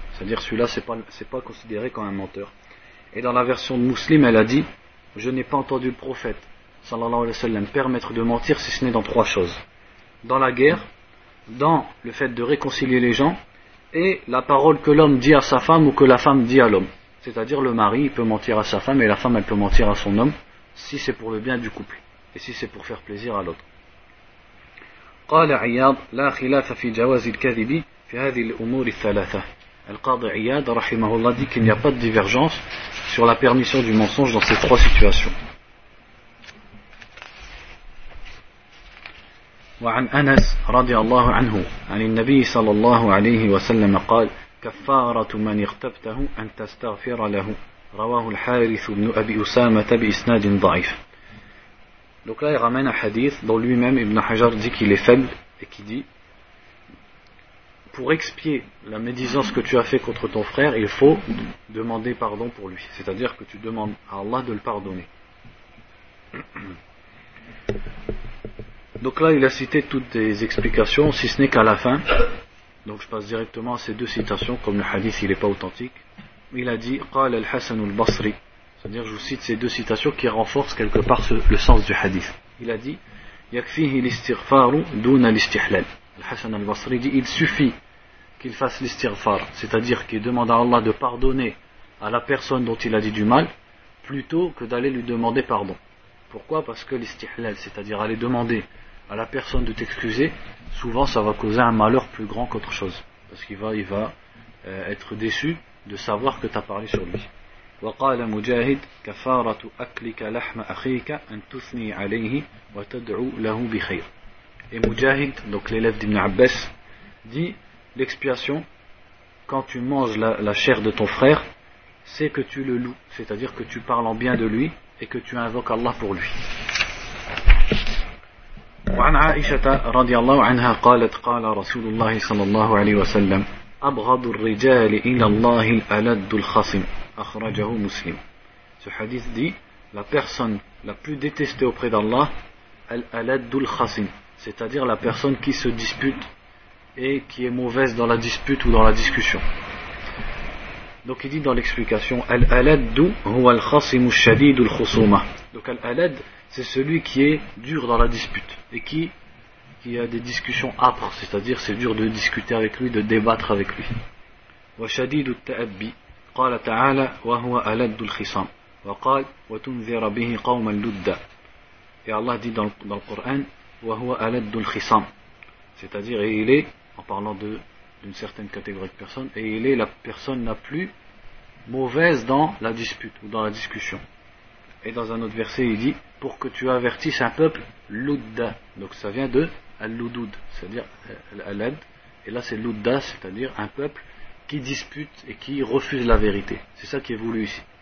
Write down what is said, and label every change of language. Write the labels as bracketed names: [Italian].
[French] C'est-à-dire celui-là, c'est pas considéré comme un menteur. Et dans la version de Muslim, elle a dit, je n'ai pas entendu le prophète, [Arabic] sallallahu alayhi wa sallam, [French] permettre de mentir si ce n'est dans trois choses. Dans la guerre, dans le fait de réconcilier les gens, et la parole que l'homme dit à sa femme ou que la femme dit à l'homme. C'est-à-dire le mari, il peut mentir à sa femme et la femme, elle peut mentir à son homme, si c'est pour le bien du couple, et si c'est pour faire plaisir à l'autre. [Arabic] قال عياض لا خلاف في جواز الكذب في هذه الأمور الثلاثة. القاضي عياض رحمه الله [French] dit qu'il n'y a pas de divergence sur la permission du mensonge dans ces trois situations. [Arabic] وعن أنس رضي الله عنه عن النبي صلى الله عليه وسلم قال كفارة من اغتبته أن تستغفر له رواه الحارث بن أبي أسامة بإسناد ضعيف. [French] Donc là, il ramène un hadith dont lui-même, Ibn Hajar, dit qu'il est faible et qui dit « Pour expier la médisance que tu as fait contre ton frère, il faut demander pardon pour lui. » C'est-à-dire que tu demandes à Allah de le pardonner. Donc là, il a cité toutes les explications, si ce n'est qu'à la fin. Donc je passe directement à ces deux citations, comme le hadith, il n'est pas authentique. Il a dit « [Arabic] قال الحسن البصري [French] » C'est-à-dire, je vous cite ces deux citations qui renforcent quelque part le sens du hadith. Il a dit, [Arabic] يَكْفِهِ الْإِسْتِغْفَارُ دُونَ الْإِسْتِحْلَالِ [French] Al-Hassan al-Basri dit, il suffit qu'il fasse l'istighfar, c'est-à-dire qu'il demande à Allah de pardonner à la personne dont il a dit du mal, plutôt que d'aller lui demander pardon. Pourquoi ? Parce que l'istihlal, c'est-à-dire aller demander à la personne de t'excuser, souvent ça va causer un malheur plus grand qu'autre chose. Parce qu'il va, être déçu de savoir que tu as parlé sur lui. [Arabic] وقال مجاهد كفارة أكلك لحم أخيك أن تثني عليه وتدعو له بخير. [French] Et مجاهد, donc l'élève d'Ibn Abbas, dit l'expiation quand tu manges la chair de ton frère, c'est que tu le loues, c'est-à-dire que tu parles en bien de lui et que tu invoques Allah pour lui. [Arabic] وعن عائشة رضي الله عنها قالت قال رسول الله صلى الله عليه وسلم أبغض الرجال إلى الله الألد الخصم. Akhrajahu Muslim. [French] Ce hadith dit, la personne la plus détestée auprès d'Allah, [Arabic] al-aladul khasim, [French] c'est-à-dire la personne qui se dispute et qui est mauvaise dans la dispute ou dans la discussion. Donc il dit dans l'explication, [Arabic] al-aladu huwa al-khasim ash-shadid al-khusuma. [French] Donc al-alad, c'est celui qui est dur dans la dispute et qui a des discussions âpres, c'est-à-dire c'est dur de discuter avec lui, de débattre avec lui. [Arabic] Wa shadid al-ta'abbi. قال تعالى وهو ألد الخصام وقال وتنذر به قوما لدا. [French] Et Allah dit dans le Coran [Arabic] وهو ألد الخصام, [French] c'est-à-dire et il est, en parlant d'une certaine catégorie de personnes, et il est la personne la plus mauvaise dans la dispute ou dans la discussion. Et dans un autre verset il dit pour que tu avertisses un peuple لدا, donc ça vient de اللدود, c'est-à-dire الألد, et là c'est لدا, c'est-à-dire un peuple qui dispute et qui refuse la vérité. C'est ça qui est voulu ici.